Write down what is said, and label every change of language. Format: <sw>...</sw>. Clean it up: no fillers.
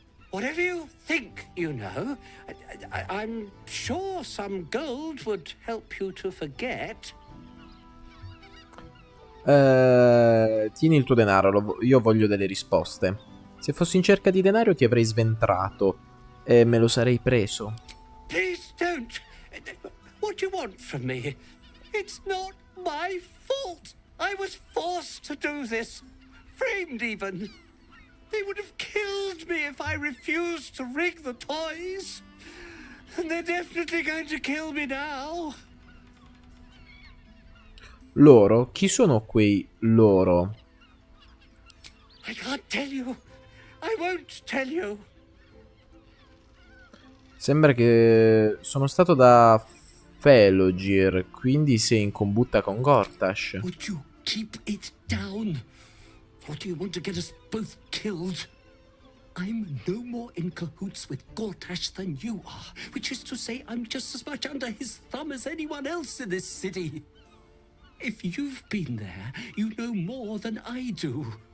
<en>Whatever you think, you know, I'm sure some gold would help you to forget.</en> <it>Tieni il tuo denaro, io voglio delle risposte. Se fossi in cerca di denaro ti avrei sventrato e me lo sarei preso.</it> <en>Please don't. What do you want from me? It's not my fault. I was forced to do this. Framed even. They would have killed me if I refused to rig the toys. And they're definitely going to kill me now.</en> <it>Loro? Chi sono quei loro?</it> <en>I can't tell you. I won't tell you.</en> <it>Sembra che sono stato da Felogir, quindi sei in combutta con Gortash.</it> <en>Would you keep it down? What do you want to get us both killed? I'm no more in cahoots with Gortash than you are, which is to say I'm just as much under his thumb as anyone else in this city. If you've been there, you know more than I do.</en>